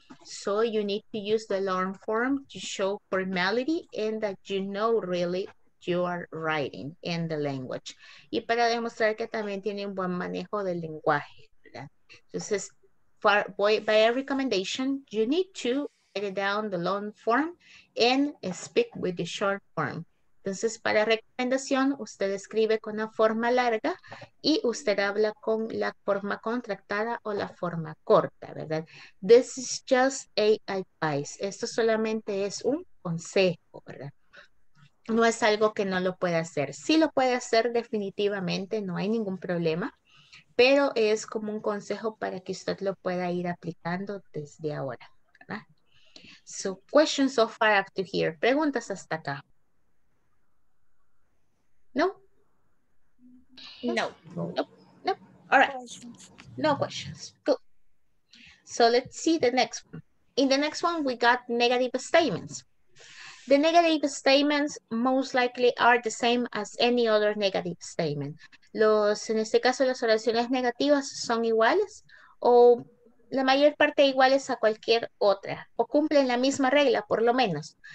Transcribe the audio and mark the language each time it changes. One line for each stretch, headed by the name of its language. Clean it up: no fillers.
English: So you need to use the long form to show formality and that you know really you are writing in the language.
Spanish: Y para demostrar que también tiene un buen manejo del lenguaje, ¿verdad?
English: Entonces, by a recommendation, you need to write down the long form and speak with the short form.
Spanish: Entonces, para recomendación, usted escribe con la forma larga y usted habla con la forma contractada o la forma corta, ¿verdad?
English: This is just a advice.
Spanish: Esto solamente es un consejo, ¿verdad? No es algo que no lo pueda hacer. Sí lo puede hacer definitivamente, no hay ningún problema. Pero es como un consejo para que usted lo pueda ir aplicando desde ahora, ¿verdad?
English: So, questions so far up to here.
Spanish: ¿Preguntas hasta acá? ¿No?
English: No. No. No. All right. No questions. Cool. So, let's see the next one. In the next one, we got negative statements. The negative statements most likely are the same as any other negative statement.
Spanish: Los, en este caso, las oraciones negativas son iguales o la mayor parte iguales a cualquier otra o cumplen la misma regla, por lo menos.